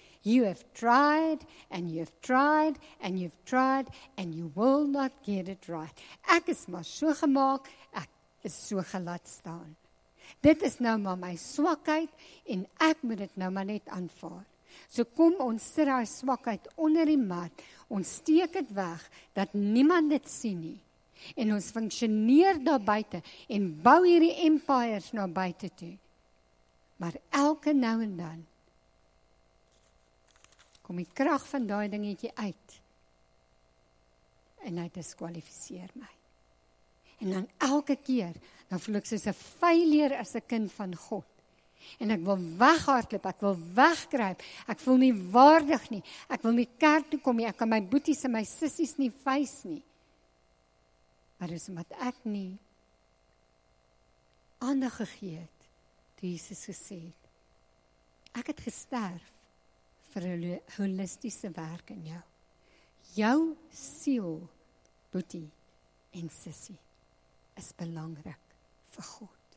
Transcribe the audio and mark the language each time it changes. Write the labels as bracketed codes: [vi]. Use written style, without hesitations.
[en] You have tried and you have tried and you have tried and you will not get it right. [af] Ek is maar so gemaak, ek is so gelat staan. Dit is nou maar my swakheid en ek moet dit nou maar net aanvaar. So kom ons sit daai swakheid onder die mat, ons steek dit weg, dat niemand dit sien nie. En ons funksioneer daar buite en bou hierdie empires na buite toe. Maar elke nou en dan, kom die krag van daai dingetjie uit en hy diskwalifiseer my. En dan elke keer, dan voel ek soos 'n failure as 'n kind van God. En ek wil weghardloop, ek wil wegkruip, ek voel nie waardig nie, ek wil nie kerk toe kom nie, ek kan my boeties en my sissies nie vuis nie. Maar dis omdat ek nie aandag gegee het, toe Jesus gesê het, ek het gesterf vir 'n holistiese werk in jou. Jou siel, boetie en sissie, is belangrik vir God.